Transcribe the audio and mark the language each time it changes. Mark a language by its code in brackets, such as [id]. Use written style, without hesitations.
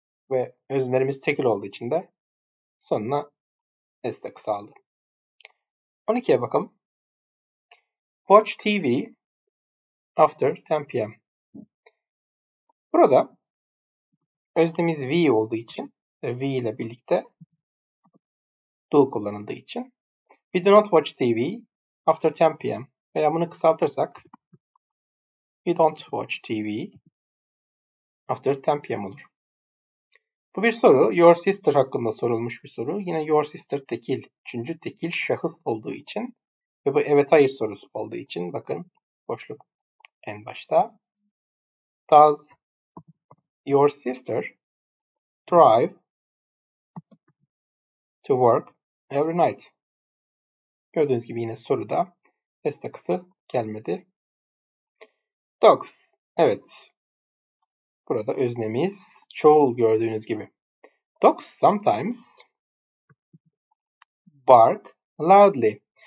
[tr] Ve öznelerimiz tekil olduğu için de sonuna s takısı aldı. 12'ye bakalım. [en] Watch TV after 10 p.m. [tr] Burada öznemiz V olduğu için ve V ile birlikte do kullanıldığı için. [en] We do not watch TV after 10 p.m. [tr] Veya bunu kısaltırsak [en] we don't watch TV after 10 p.m. [tr] olur. Bu bir soru. Your sister hakkında sorulmuş bir soru. Yine your sister tekil, üçüncü tekil şahıs olduğu için ve bu evet hayır sorusu olduğu için bakın boşluk en başta. [en] Does your sister drive to work every night? [tr] Gördüğünüz gibi yine soruda s takısı gelmedi. Dogs Evet. Burada öznemiz çoğul gördüğünüz gibi. [en] Dogs sometimes bark loudly.